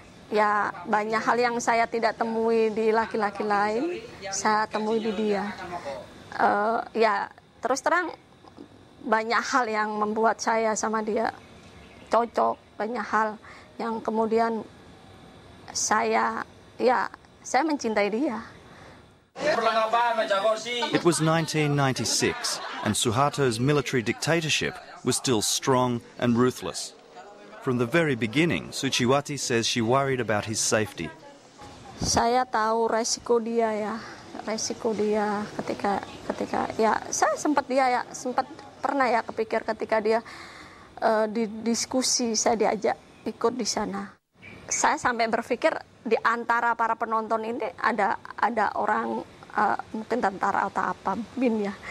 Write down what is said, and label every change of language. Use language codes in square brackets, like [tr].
[id] Ya, banyak hal yang saya tidak temui di laki-laki lain, saya temui di dia. Ya, terus terang, banyak hal yang membuat saya sama dia cocok, banyak hal yang kemudian saya, ya, saya mencintai dia. [en] It was 1996, and Suharto's military dictatorship was still strong and ruthless. From the very beginning, Suciwati says she worried about his safety. [id] Saya tahu resiko dia ya, ketika ya saya sempat dia ya sempat pernah ya kepikir ketika dia di diskusi saya diajak ikut di sana. Saya sampai berpikir di antara para penonton ini ada orang mungkin tentara atau apa bin ya.